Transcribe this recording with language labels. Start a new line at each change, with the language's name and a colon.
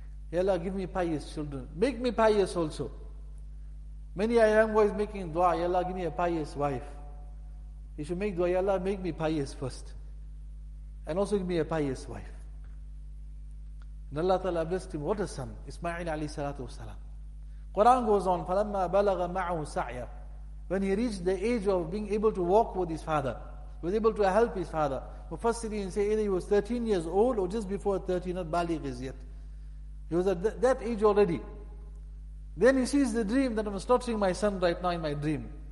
English: Ya Allah, give me pious children. Make me pious also. Many a young boy is making dua, Ya Allah, give me a pious wife. He should make dua, Ya Allah, make me pious first. And also give me a pious wife. And Allah Ta'ala blessed him. What a son, Ismail alayhi salatu wasalam. Quran goes on,
Arabic: فَلَمَّا بَلَغَ مَعُهُ سَعْيَ.
English: When he reached the age of being able to walk with his father, he was able to help his father. But first he didn't say either he was 13 years old or just before 30, not baligh is yet. He was at that age already. Then he sees the dream that I'm slaughtering my son right now in my dream.